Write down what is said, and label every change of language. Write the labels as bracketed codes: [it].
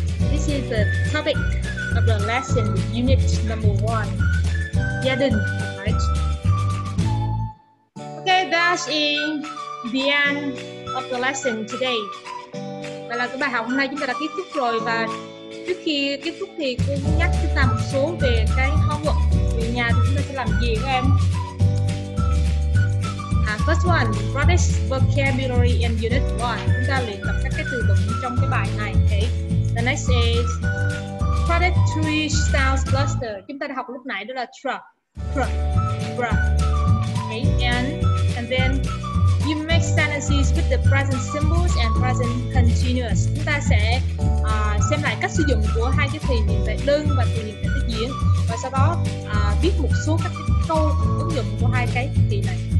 [en] This is the topic of the lesson, unit number one. Gia đình, right? Okay, that's the end of the lesson today. [vi] Và là cái bài học hôm nay chúng ta đã kết thúc rồi. Và trước khi kết thúc thì cô nhắc chúng ta một số về cái homework. Về nhà thì chúng ta sẽ làm gì các em? [en] First one, practice vocabulary in unit 1. [vi] Chúng ta luyện tập các cái từ vựng trong cái bài này, okay? [en] The next is practice 3 sound cluster. [vi] Chúng ta đã học lúc nãy đó là truck, truck, truck. [en] Okay, and then you make sentences with the present symbols and present continuous. [vi] Chúng ta sẽ xem lại cách sử dụng của hai cái từ hiện tại đơn và từ hiện tại tiếp diễn, và sau đó viết một số các cái câu ứng dụng của hai cái từ này.